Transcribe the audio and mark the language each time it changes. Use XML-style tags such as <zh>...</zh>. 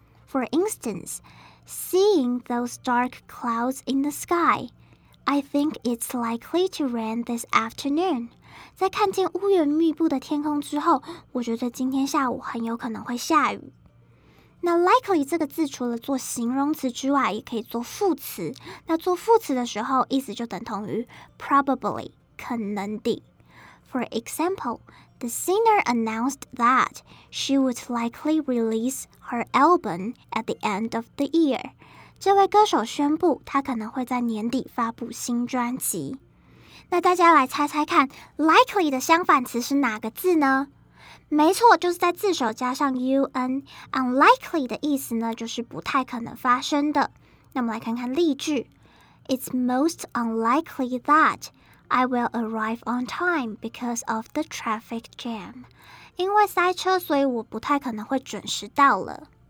<en>For instanceSeeing those dark clouds in the sky, I think it's likely to rain this afternoon.</en> <zh>在看见乌云密布的天空之后，我觉得今天下午很有可能会下雨。那 likely 这个字除了做形容词之外，也可以做副词。那做副词的时候，意思就等同于 probably， 可能的。</zh> <en>For example, the singer announced that she would likely release her album at the end of the year.</en> <zh>这位歌手宣布她可能会在年底发布新专辑。那大家来猜猜看 likely 的相反词是哪个字呢？没错，就是在字首加上 un， unlikely 的意思呢，就是不太可能发生的。那我们来看看例句。</zh> <en>It's most unlikely that I will arrive on time because of the traffic jam.</en> <zh>因为塞车，所以我不太可能会准时到了。</zh>